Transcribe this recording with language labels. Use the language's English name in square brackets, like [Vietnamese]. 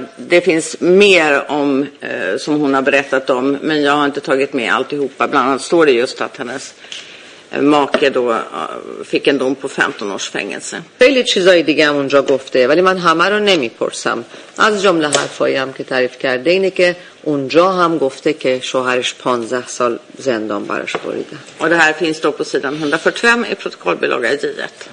[Swedish] Det finns mer om som hon har berättat om, men jag har inte tagit med alltihopa. Bland annat står det just att hennes make då fick en dom på 15 års fängelse. [Persian] خیلی چیزای دیگه هم اونجا گفته ولی من همه رو نمیپرسم. از جمله حرفایی هم که تعریف کرده اینه که اونجا هم گفته که شوهرش 15 سال زندان براش بریده. [Swedish] Och det här finns då på sidan 145 i protokollbilaga J1.